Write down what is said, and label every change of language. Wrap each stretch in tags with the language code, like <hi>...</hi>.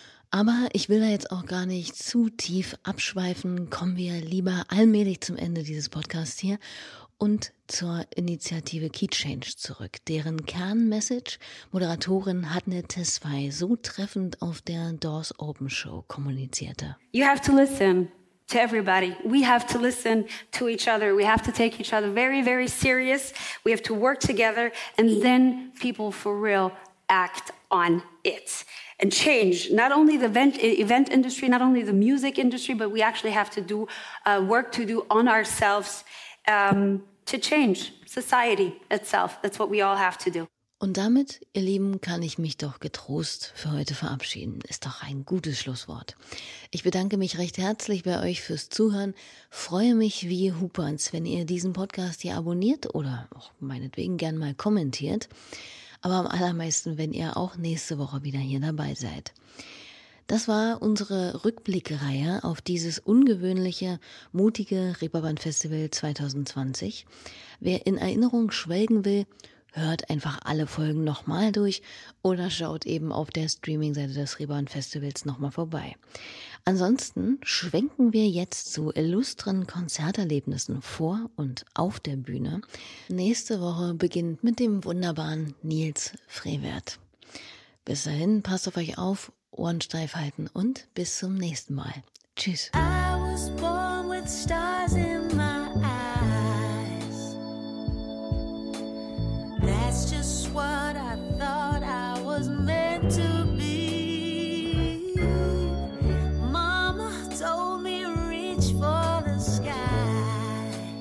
<de>Aber ich will da jetzt auch gar nicht zu tief abschweifen. Kommen wir lieber allmählich zum Ende dieses Podcasts hier. Und zur Initiative Key Change zurück, deren Kernmessage Moderatorin Hadne Tesfay so treffend auf der Doors Open Show kommunizierte.</de> <en>You have to listen to everybody. We have to listen to each other. We have to take each other very, very serious. We have to work together and then people for real act on it. And change, not only the event industry, not only the music industry, but we actually have to do work to do on ourselves to change society itself. That's what we all have to do.</en> <de>Und damit, ihr Lieben, kann ich mich doch getrost für heute verabschieden. Ist doch ein gutes Schlusswort. Ich bedanke mich recht herzlich bei euch fürs Zuhören. Freue mich wie Hupans, wenn ihr diesen Podcast hier abonniert oder auch meinetwegen gern mal kommentiert. aber am allermeisten, wenn ihr auch nächste Woche wieder hier dabei seid. Das war unsere Rückblickreihe auf dieses ungewöhnliche, mutige Reeperbahn-Festival 2020. Wer in Erinnerung schwelgen will, hört einfach alle Folgen nochmal durch oder schaut eben auf der Streaming-Seite des Reeperbahn-Festivals nochmal vorbei. Ansonsten schwenken wir jetzt zu illustren Konzerterlebnissen vor und auf der Bühne. Nächste Woche beginnt mit dem wunderbaren Nils Frevert. Bis dahin, passt auf euch auf. Ohren steif halten und bis zum nächsten Mal. Tschüss.</de> <en>I was born with stars in my eyes. That's just what I thought I was meant to be. Mama told me reach for the sky.</en>